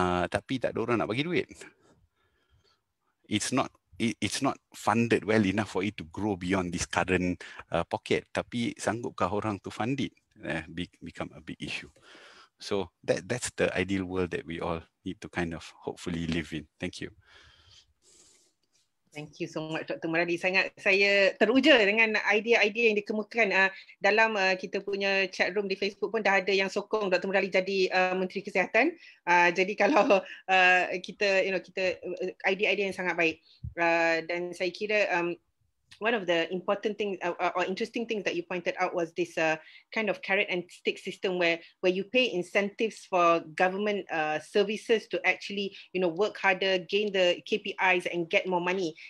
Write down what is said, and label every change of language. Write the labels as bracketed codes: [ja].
[ms] Tapi tak ada orang nak bagi duit. [en] It's not funded well enough for it to grow beyond this current pocket. [ms] Tapi sanggupkah orang [en] to fund it? Become a big issue. So that's the ideal world that we all need to kind of hopefully live in. Thank you. Thank you so much, Dr. Murali. [ms] Saya teruja dengan idea-idea yang dikemukakan. Dalam kita punya chat room di Facebook pun dah ada yang sokong Dr. Murali jadi Menteri Kesihatan. Jadi kalau kita idea-idea yang sangat baik. Dan saya kira [en] one of the important things or interesting things that you pointed out was this kind of carrot and stick system where you pay incentives for government services to actually work harder, gain the KPIs and get more money.